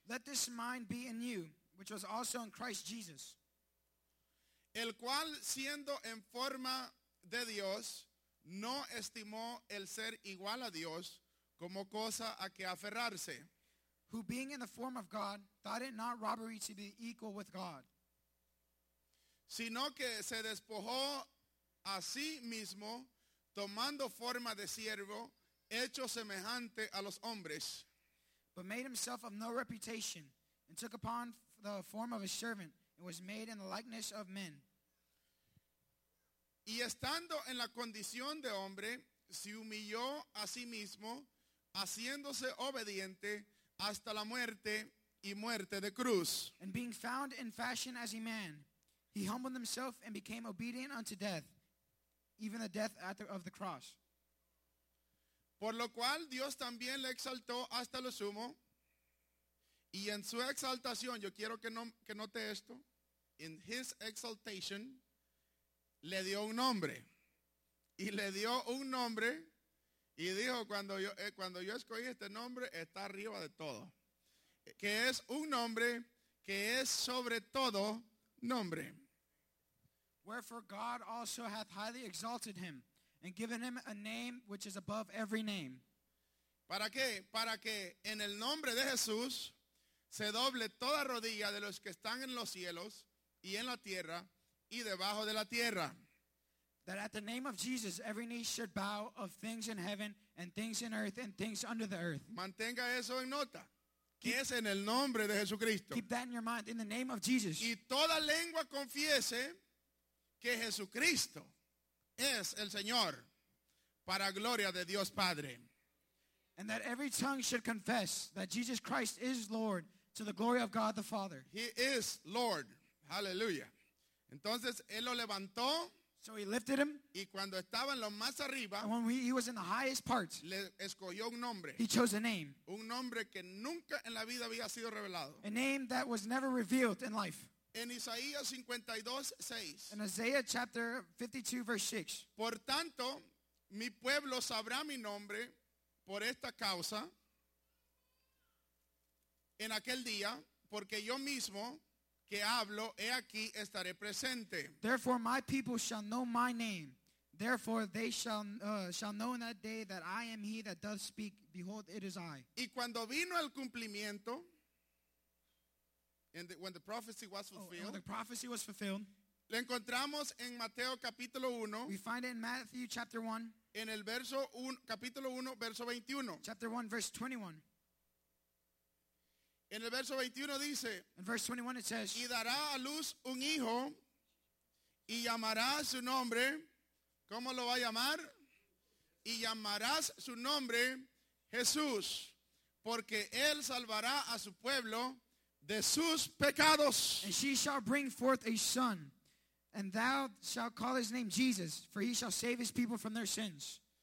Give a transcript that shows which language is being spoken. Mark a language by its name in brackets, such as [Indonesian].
[English] Let this mind be in you, which was also in Christ Jesus. [Spanish] El cual siendo en forma de Dios, no estimó el ser igual a Dios como cosa a que aferrarse. [English] Who being in the form of God, thought it not robbery to be equal with God. [Spanish] Sino que se despojó a sí mismo, tomando forma de siervo, hecho semejante a los hombres. [English] But made himself of no reputation, and took upon the form of a servant, and was made in the likeness of men. [Spanish] Y estando en la condición de hombre, se humilló a sí mismo, haciéndose obediente, hasta la muerte y muerte de cruz. [English] And being found in fashion as a man, he humbled himself and became obedient unto death, even the death of the cross. [Spanish] Por lo cual Dios también le exaltó hasta lo sumo, y en su exaltación, yo quiero que note esto, [English] in his exaltation, [Spanish] le dio un nombre, y le dio un nombre. Y dijo, cuando yo escogí este nombre, está arriba de todo. Que es un nombre que es sobre todo nombre. [English] Wherefore God also hath highly exalted him, and given him a name which is above every name. [Spanish] ¿Para qué? Para que en el nombre de Jesús se doble toda rodilla de los que están en los cielos, y en la tierra, y debajo de la tierra. [English] That at the name of Jesus, every knee should bow of things in heaven and things in earth and things under the earth. [Spanish] Mantenga eso en nota. Que es en el nombre de Jesucristo. [English] Keep that in your mind, in the name of Jesus. [Spanish] Y toda lengua confiese que Jesucristo es el Señor para gloria de Dios Padre. [English] And that every tongue should confess that Jesus Christ is Lord to the glory of God the Father. He is Lord. Hallelujah. [Spanish] Entonces, Él lo levantó. [English] So he lifted him. [Spanish] Y cuando estaba en lo más arriba, [English] and when he was in the highest parts, [Spanish] le escogió un nombre, [English] he chose a name. [Spanish] Un nombre que nunca en la vida había sido revelado. [English] A name that was never revealed in life. [Spanish] En Isaías 52:6. [English] In Isaiah chapter 52, verse 6. [Spanish] Por tanto, mi pueblo sabrá mi nombre por esta causa en aquel día, porque yo mismo que hablo, he aquí estaré presente. [English] Therefore my people shall know my name. Therefore they shall know in that day that I am he that doth speak. Behold, it is I. [Spanish] Y cuando vino el cumplimiento, [English] and when the prophecy was fulfilled, when the prophecy was fulfilled, [Spanish] le encontramos en Mateo capítulo 1. [English] We find it in Matthew chapter 1. [Spanish] En el verso 1, capítulo 1, verso 21. [English] Chapter 1, verse 21. [Spanish] En el verso 21 dice, [English] in verse 21 it says, [Spanish] y dará a luz un hijo, y llamarás su nombre, ¿cómo lo va a llamar? Y llamarás su nombre Jesús, porque él salvará a su pueblo de sus pecados. [English] And she shall bring forth a son, and thou shalt call his name Jesus, for he shall save his people from their sins.